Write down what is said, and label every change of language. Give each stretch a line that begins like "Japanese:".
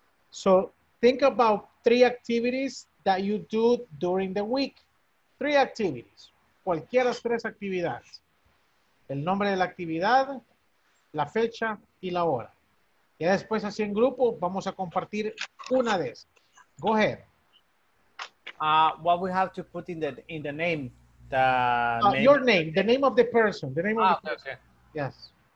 English: So think about three activities that you do during the week. Three activities.
Spanish: Cualquiera tres actividades. El nombre de la actividad, la fecha y la hora. Ya después así en grupo vamos a compartir una de esas.
English: Go ahead. What we have to put in the name, the name. Your name, the name of the person, the name of the person. Okay. Yes.